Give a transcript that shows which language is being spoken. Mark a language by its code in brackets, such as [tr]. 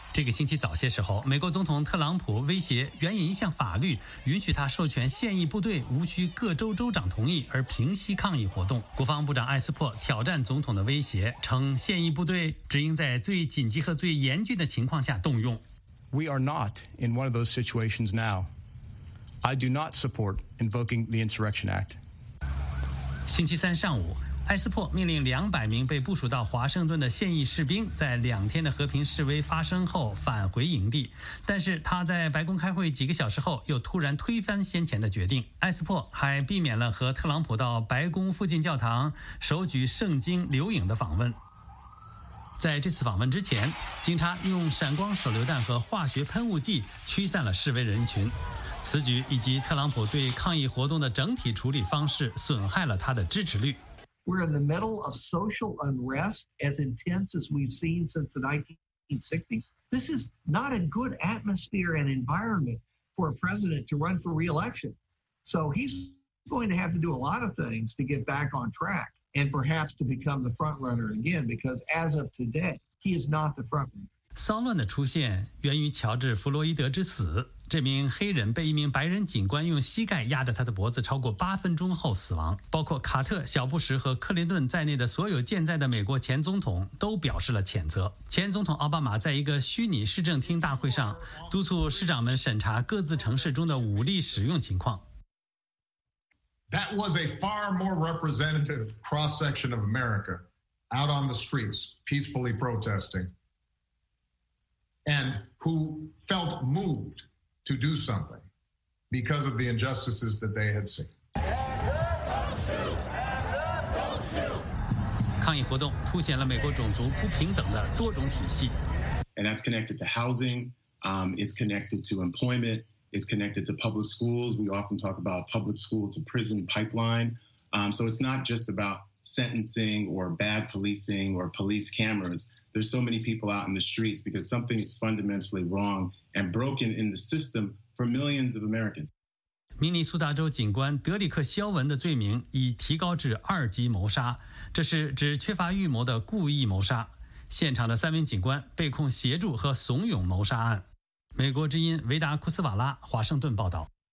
[zh] 这个星期早些时候，美国总统特朗普威胁援引一项法律，允许他授权现役部队无需各州州长同意而平息抗议活动。国防部长艾斯珀挑战总统的威胁，称现役部队只应在最紧急和最严峻的情况下动用。 [en] We are not in one of those situations now. I do not support invoking the Insurrection Act. [zh] 星期三上午，埃斯珀命令200名被部署到华盛顿的现役士兵在两天的和平示威发生后返回营地，但是他在白宫开会几个小时后又突然推翻先前的决定。埃斯珀还避免了和特朗普到白宫附近教堂手举圣经留影的访问。在这次访问之前，警察用闪光手榴弹和化学喷雾剂驱散了示威人群。此举以及特朗普对抗议活动的整体处理方式损害了他的支持率。 [en] We're in the middle of social unrest as intense as we've seen since the 1960s. This is not a good atmosphere and environment for a president to run for re-election. So he's going to have to do a lot of things to get back on track and perhaps to become the front runner again, because as of today, he is not the front runner. [zh] 骚乱的出现源于乔治·弗洛伊德之死。这名黑人被一名白人警官用膝盖压着他的脖子超过八分钟后死亡。包括卡特、小布什和克林顿在内的所有健在的美国前总统都表示了谴责。前总统奥巴马在一个虚拟市政厅大会上督促市长们审查各自城市中的武力使用情况。 [en] That was a far more representative cross-section of America out on the streets peacefully protesting and who felt movedto do something because of the injustices that they had seen. [zh] 抗议活动凸显了美国种族不平等的多种体系。 [en] And that's connected to housing, it's connected to employment, it's connected to public schools. We often talk about public school to prison pipeline. So it's not just about sentencing or bad policing or police cameras. There's so many people out in the streets because something is fundamentally wrong and broken in the system for millions of Americans. [zh] 明尼苏达州警官德里克·肖文的罪名已提高至二级谋杀，这是指缺乏预谋的故意谋杀。现场的三名警官被控协助和怂恿谋杀案。美国之音维达·库斯瓦拉，华盛顿报道。